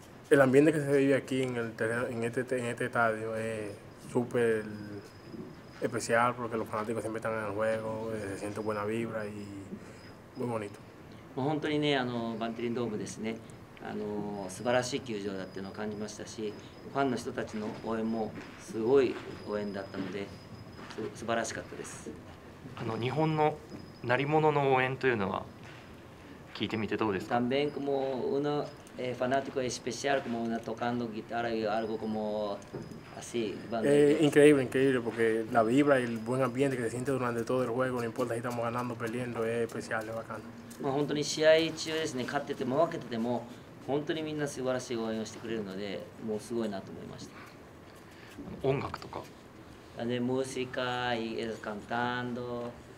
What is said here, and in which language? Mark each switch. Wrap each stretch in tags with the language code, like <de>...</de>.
<es>El ambiente que se vive aquí en el terreno, en este estadio es súper especial, porque los fanáticos siempre están en el juego, se siente buena vibra y muy bonito.</es> <ja>もう本当にね、バンテリンドームですね、素晴らしい球場だっていうのを感じましたし、ファンの人たちの応援もすごい応援だったので、素晴らしかったです。日本の鳴り物の応援というのは聞いてみてどうですか？</ja> <es>También como uno fanático especial, como una tocando guitarra y algo como así. Increíble, increíble, porque la vibra y el buen ambiente que se siente durante todo el juego, no importa si estamos ganando o perdiendo, es especial, es bacán.</es> <ja>まあ、本当に試合中ですね、勝ってても負けてても本当にみんな素晴らしい応援をしてくれるので、もうすごいなと思いました。音楽とか。で、ムーシカイエスカンタンド。</ja>